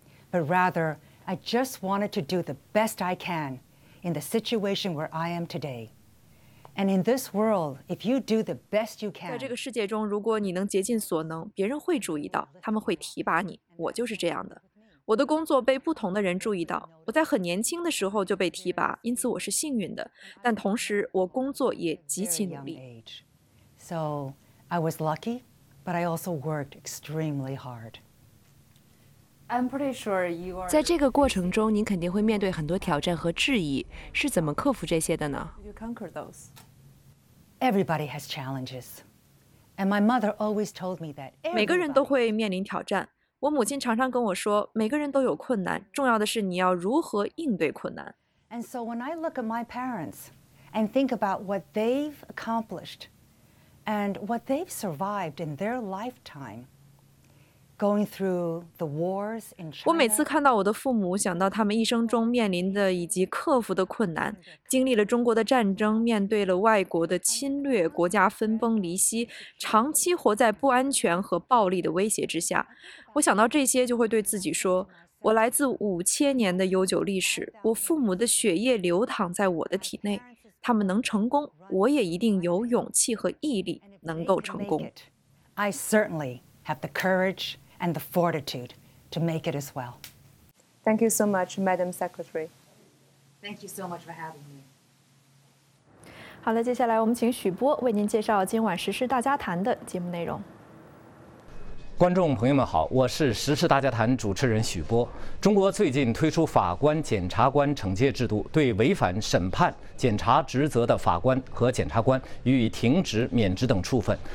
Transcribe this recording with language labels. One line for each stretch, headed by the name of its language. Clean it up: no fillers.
English: But rather, I just wanted to do the best I can in the situation where I am today. And in this world, if you do the best you can,
Chinese: 在这个世界中，如果你能竭尽所能，别人会注意到，他们会提拔你。我就是这样的。我的工作被不同的人注意到。我在很年轻的时候就被提拔，因此我是幸运的。但同时，我工作也极其努力。
English: So I was lucky, but I also worked extremely hard. I'm pretty sure you are.
Chinese: 在这个过程中，您肯定会面对很多挑战和质疑，是怎么克服这些的呢？
English: Conquer those. Everybody has challenges, and my mother always told me that.
Chinese: 每个人都会面临挑战。我母亲常常跟我说，每个人都有困难，重要的是你要如何应对困难。
English: And so when I look at my parents and think about what they've accomplished and what they've survived in their lifetime. Going through the wars in China,
Chinese: 我每次看到我的父母，想到他们一生中面临的以及克服的困难，经历了中国的战争，面对了外国的侵略，国家分崩离析，长期活在不安全和暴力的威胁之下。我想到这些，就会对自己说：我来自5000年的悠久历史，我父母的血液流淌在我的体内，他们能成功，我也一定有勇气和毅力能够成功。
English: I certainly. Have the courage and the fortitude to make it as well. Thank you so much, Madam Secretary. Thank you so much for having me.
Chinese: 好了，接下来我们请许波为您介绍今晚时事大家谈的节目内容。观众朋友们好，我是时事大家谈主持人许波。中国最近推出法官检察官惩戒制度，对违反审判检察职责的法官和检察官予以停职、免职等处分。